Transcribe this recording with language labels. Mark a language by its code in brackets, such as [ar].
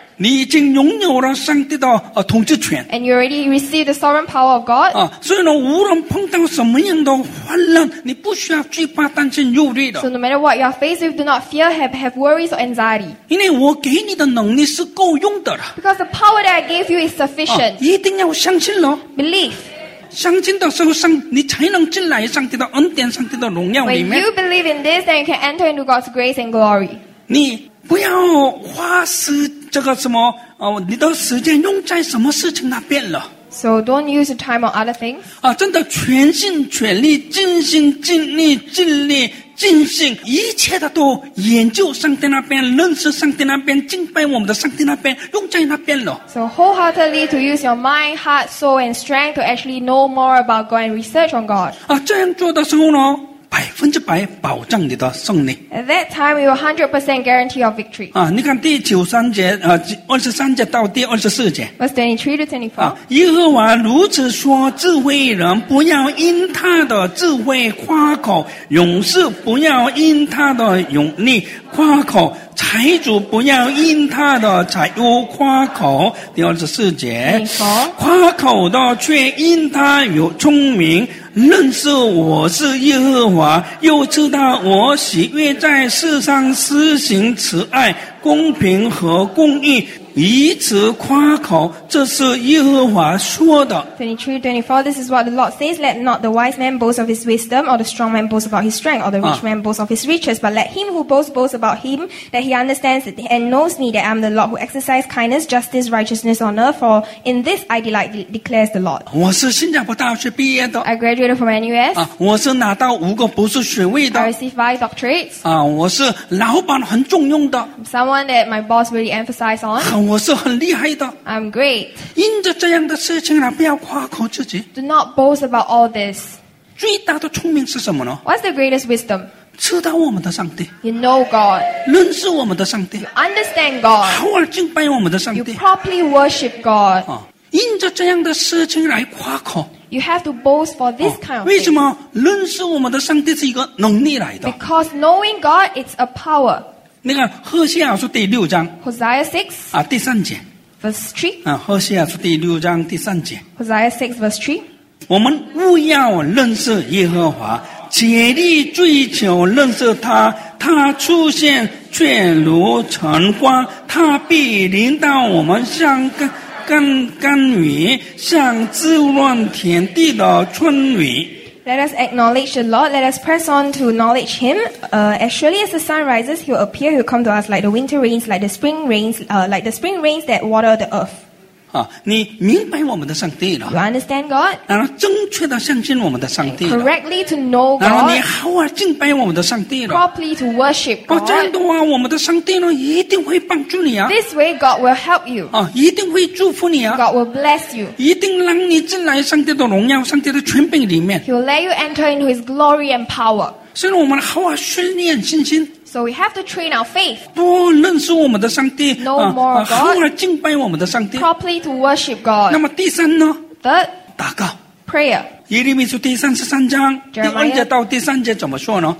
[zh] 你已经拥有了上帝的统治权。 [en] And you already received the sovereign power of God. [zh] 啊，所以呢，无论碰到什么样的患难，你不需要惧怕、担心、忧虑的。 [en] So no matter what you are faced with, do not fear, have worries or anxiety. [zh] 因为我给你的能力是够用的了。 [en] Because the power that I gave you is sufficient. [zh] 啊，一定要相信咯。 [en] Believe. [zh] 相信的时候你才能进来上帝的恩典、上帝的荣耀里面。 [en] When you believe in this, then you can enter into God's grace and glory. [zh] 你不要花时这个什么你的时间用在什么事情那边了。 [en] So don't use the time on other things. [zh] 啊，真的全心全力、尽心尽力、尽力尽心，一切的都研究上帝那边，认识上帝那边，敬拜我们的上帝那边，用在那边了。 [en] So wholeheartedly to use your mind, heart, soul, and strength to actually know more about God and research on God. [zh] 啊，这样做的时候呢？100%保障你的胜利。 [en] At that time, we will 100% guarantee your victory. [zh] 啊，你看第九三节，二十三节到第二十四节。 [en] Verse 23 to 24. [zh] 啊，耶和华如此说：智慧人不要因他的智慧夸口，勇士不要因他的勇力夸口，财主不要因他的财物夸口，第二十四节，夸口的却因他有聪明，认识我是耶和华，又知道我喜悦在世上施行慈爱、公平和公义，以此夸口，这是耶和华说的。 [en] 23:24, this is what the Lord says, let not the wise man boast of his wisdom, or the strong man boast about his strength, or the rich man boast of his riches, but let him who boasts boast about him, that he understands it, and knows me, that I am the Lord who exercise kindness, justice, righteousness on earth, for in this I delight, declares the Lord. [zh] 我是新加坡大学毕业的。 [en] I graduated from NUS. [zh] 我是拿到五个博士学位的。 [en] I received 5 doctorates. [zh] 我是老板很重用的。 [en] Someone that my boss really emphasized on. [zh] 我是很厉害的。 [en] I'm great. [zh] 因着这样的事情呢，不要夸口自己。 [en] Do not boast about all this. [zh] 最大的聪明是什么呢？ [en] What's the greatest wisdom? [zh] 知道我们的上帝。 [en] You know God. [zh] 认识我们的上帝。 [en] You understand God. [zh] 好好敬拜我们的上帝。 [en] You properly worship God. [zh] 因着这样的事情来夸口。 [en] You have to boast for this kind of thing. [zh] 为什么？认识我们的上帝是一个能力来的。 [en] Because knowing God, it's a power. [zh] 那个赫西亚书第六章 [en] Hosea 6 [zh] 第三节 [en] Verse 3 [zh] 赫西亚书第六章第三节 [en] Hosea 6 verse 3 [zh] 我们务要认识耶和华竭力追求认识他他出现却如晨光他必临到我们像甘雨像滋润田地的春雨 [en] Let us acknowledge the Lord. Let us press on to knowledge Him. As surely as the sun rises, He will appear. He will come to us like the winter rains, like the spring rains, like the spring rains that water the earth. [zh] 你明白我们的上帝了。 [en] You understand God? [zh] 然后正确的相信我们的上帝了。 [en] And、correctly to know God. [zh] 然后你好好敬拜我们的上帝了。 [en] Properly to worship God. [zh] 这样的话，我们的上帝呢，一定会帮助你啊。 [en] This way, God will help you. [zh] 一定会祝福你啊。 [en] God will bless you. [zh] 一定让你进来上帝的荣耀、上帝的权柄里面。 [en] He will let you enter into His glory and power. [zh] 所以我们好好训练信心。 [en] So we have to train our faith. [zh] 不认识我们的上帝 [en] Know more of God. [zh] 好好敬拜我们的上帝 [en] Properly to worship God. [zh] 那么第三呢 [en] Third. [zh] 祷告 [en] Prayer. [zh] 耶利米书第三十三章 Jeremiah, 第二节到第三节怎么说呢